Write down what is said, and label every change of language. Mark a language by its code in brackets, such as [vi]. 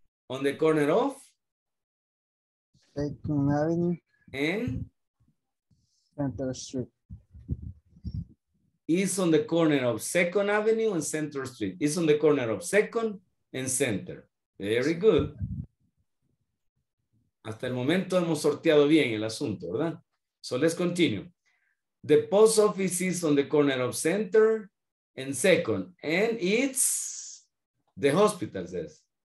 [en] On the corner of? Second Avenue. And? Center Street. is on the corner of Second Avenue and Center Street. It's on the corner of Second and Center. Very good. [es] Hasta el momento hemos sorteado bien el asunto, ¿verdad? [en] So let's continue. The post office is on the corner of Center and Second, and it's the hospital, says.